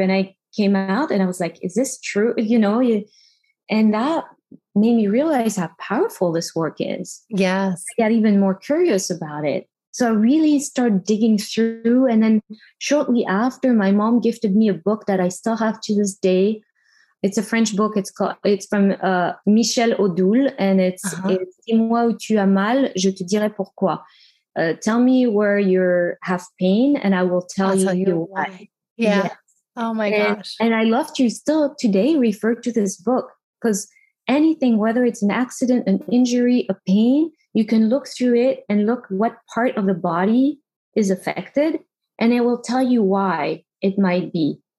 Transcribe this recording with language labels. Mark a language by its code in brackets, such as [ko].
[en] And I came out and I was like, is this true? You know, and that made me realize how powerful this work is. Yes. I got even more curious about it. So I really started digging through. And then shortly after, my mom gifted me a book that I still have to this day. It's a French book. It's from Michel Odoul. And it's, [fr] Dis-moi où tu as mal, je te dirai pourquoi. [en] Tell me where you have pain and I will tell you why. Yeah. Yes. Oh my gosh. And I love to still today refer to this book because anything, whether it's an accident, an injury, a pain, you can look through it and look what part of the body is affected and it will tell you why it might be.